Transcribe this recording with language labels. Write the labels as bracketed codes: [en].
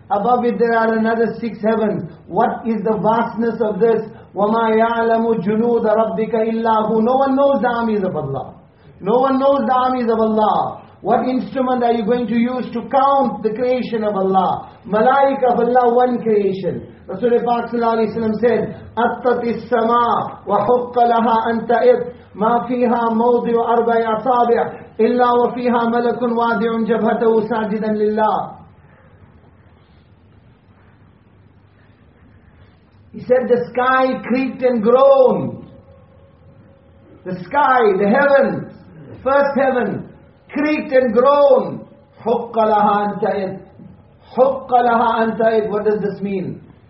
[en] Above it there are another six heavens. What is the vastness of this? [ar] وَمَا يَعْلَمُ جُنُودَ رَبِّكَ إِلَّا هُ. [en] No one knows the armies of Allah. No one knows the armies of Allah. What instrument are you going to use to count the creation of Allah? Malaika of Allah, one creation. Rasulullah SAW said, [ar] أَطَّتِ السَّمَاءَ وَحُقَّ لَهَا أَنْتَئِتْ مَا فِيهَا مَوْضِعُ أَرْبَعِ أَصَابِعِ إِلَّا وَفِيهَا مَلَكٌ وَادِعٌ جَبْهَتَهُ سَاجِدًا لِلَّهِ. [en] He said, the sky creaked and groaned. The sky, the heavens, first heaven, creaked and groaned. [ar] حُقَّ لَهَا أَنْتَئِدْ. حُقَّ لَهَا أَنْتَئِدْ. [en] What does this mean?